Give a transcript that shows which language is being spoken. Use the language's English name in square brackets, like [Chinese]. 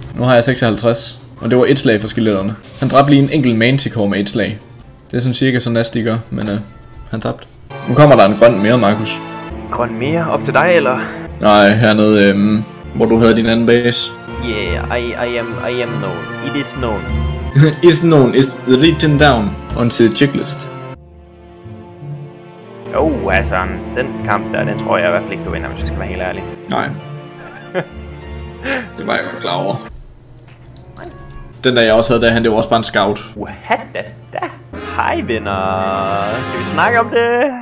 [Danish] Nu har jeg 56, og det var et slag for skeletterne. Han dræbte lige en enkelt manticore med et slag. Det er sådan cirka så nas, de gør, men han tabte. Nu kommer der en grøn mere, Markus. Grøn mere? Op til dig, eller? Nej, hernede, hvor du havde din anden base. [English] Yeah, I am known. It is known. Is known is written down onto the checklist. [Danish] Jo, oh, altså, den kamp der, den tror jeg i hvert fald ikke, du vinder, hvis jeg skal være helt ærlig. Nej. Det var jeg godt klar over. Den der, jeg også havde derhen, det var også bare en scout. [English] What the [Danish] da? Hej, venner. Skal vi snakke om det?